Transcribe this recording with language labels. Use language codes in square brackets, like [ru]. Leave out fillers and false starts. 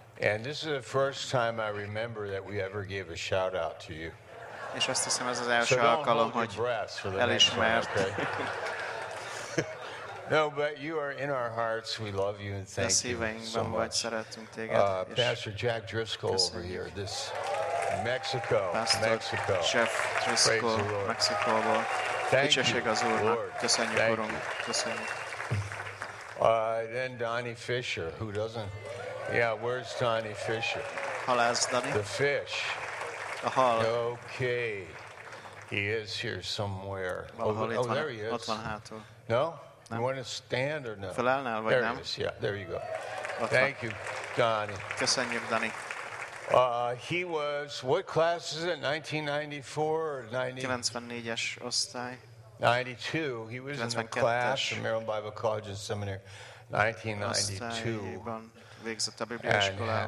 [en] And this is the first time I remember that we ever gave a shout out to you. [hu] És azt hiszem, ez az első alkalom, hogy elismert. [en] No, but you are in our hearts. We love you and thank you so much. Pastor Jack Driscoll over here, this Mexico, Pastor Mexico. Jeff Driscoll, Mexico. Thank you, Lord. Thank you. Then Donnie Fisher, who doesn't? Yeah, where's Donnie Fisher? [hu] Hol ez, Donnie? [en] The fish. [hu] A hal. [en] Okay. He is here somewhere. Oh, there he is. [hu] Ott van hátul. [en] No? You want to stand or no? [hu] Felállnál, vagy [en] there [hu] nem? [en] He is, yeah, there you go. Thank you, Donnie. [hu] Köszönjük, Donnie. [en] He was, what class is it, 1994 or 90? [hu] 94-es osztály. [en] 92, he was 92-es. In the class at Maryland Bible College and Seminary, 1992. [hu] Osztályban végzett a Biblia iskolában.